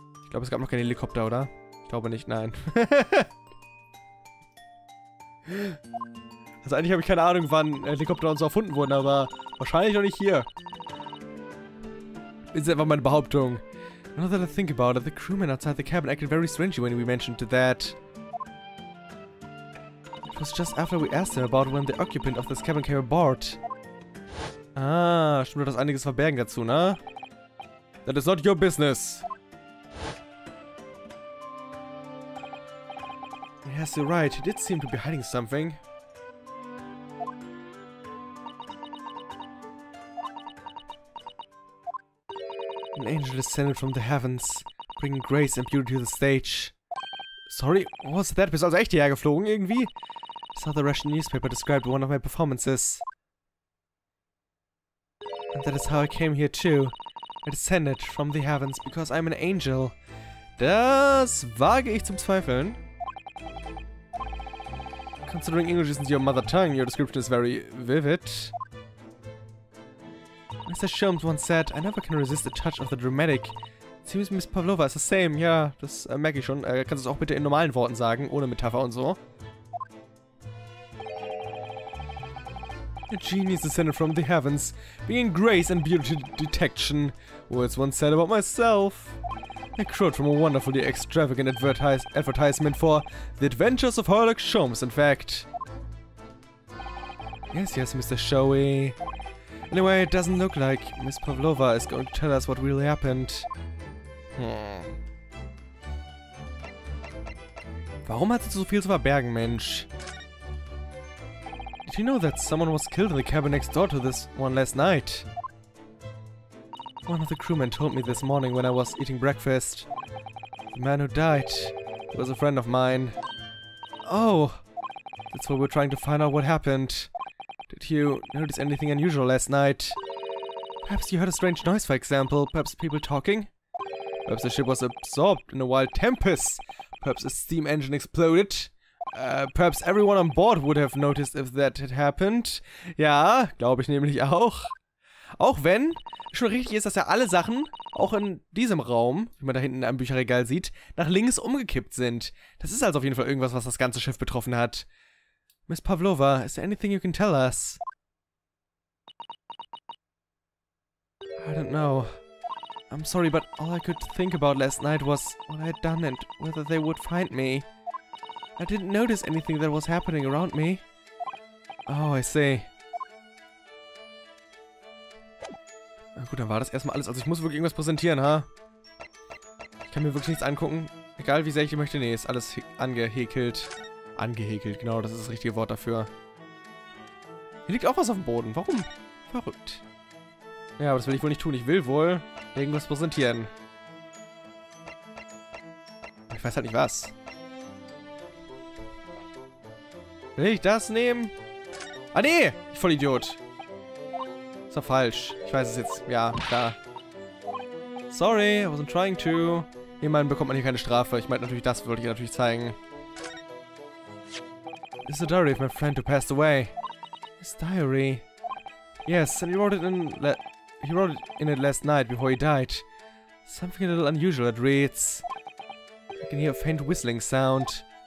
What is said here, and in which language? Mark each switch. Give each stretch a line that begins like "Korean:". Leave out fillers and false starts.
German: Ich glaube, es gab noch keinen Helikopter, oder? Ich glaube nicht, nein. Also eigentlich habe ich keine Ahnung, wann Helikopter und so erfunden wurden, aber wahrscheinlich noch nicht hier. Ist einfach meine Behauptung.
English: Now that I think about it, the crewman outside the cabin acted very strangely when we mentioned that. It was just after we asked him about when the occupant of this cabin came aboard.
German: Ah, stimmt, du hast einiges verbergen dazu, ne?
English: That is not your business. Yes, you're right. He did seem to be hiding something. An angel descended from the heavens, bringing grace and beauty to the stage. Sorry, was that?
German: Bist du also echt hierher geflogen, irgendwie?
English: I saw the Russian newspaper described one of my performances. And that is how I came here too. I descended from the heavens because I'm an angel.
German: Das wage ich zum Zweifeln.
English: Considering English isn't your mother tongue, your description is very vivid. Mr. Sholmes once said, I never can resist the touch of the dramatic. Seems Miss Pavlova is the same.
German: Ja, das merke ich schon. Kannst du es auch bitte in normalen Worten sagen, ohne Metapher und so.
English: A genius descended from the heavens, bringing grace and beauty to detection. Words once said about myself. A quote from a wonderfully extravagant advertisement for The Adventures of Sherlock Holmes, in fact. Yes, yes, Mr. Showy. Anyway, it doesn't look like Miss Pavlova is going to tell us what really happened.
German: Warum hat sie so viel zu verbergen, Mensch?
English: Did you know that someone was killed in the cabin next door to this one last night? One of the crewmen told me this morning when I was eating breakfast. The man who died was a friend of mine. Oh, that's why we're trying to find out what happened. Did you notice anything unusual last night? Perhaps you heard a strange noise, for example. Perhaps people talking? Perhaps the ship was absorbed in a wild tempest. Perhaps a steam engine exploded. Perhaps everyone on board would have noticed if that had happened.
German: Ja, glaube ich nämlich auch. Auch wenn schon richtig ist, dass ja alle Sachen, auch in diesem Raum, wie man da hinten am Bücherregal sieht, nach links umgekippt sind. Das ist also auf jeden Fall irgendwas, was das ganze Schiff betroffen hat.
English: Miss Pavlova, is there anything you can tell us? I don't know. I'm sorry, but all I could think about last night was what I had done and whether they would find me. I didn't notice anything that was happening around me. Oh, I see.
German: Na gut, dann war das erstmal alles. Also ich muss wirklich irgendwas präsentieren, ha? Ich kann mir wirklich nichts angucken. Egal, wie sehr ich möchte. Nee, ist alles angehäkelt. Angehäkelt, genau, das ist das richtige Wort dafür. Hier liegt auch was auf dem Boden. Warum? Verrückt. Ja, aber das will ich wohl nicht tun. Ich will wohl irgendwas präsentieren. Ich weiß halt nicht, was. Will ich das nehmen? Ah, nee! Ich Vollidiot. Ist doch falsch. Ich weiß es jetzt. Ja, da.
English: Sorry, I wasn't trying to.
German: Immerhin bekommt man hier keine Strafe. Ich meinte natürlich, das würde ich natürlich zeigen.
English: This is a diary of my friend who passed away. His diary? Yes, and he wrote it in it last night before he died. Something a little unusual, it reads. I can hear a faint whistling sound.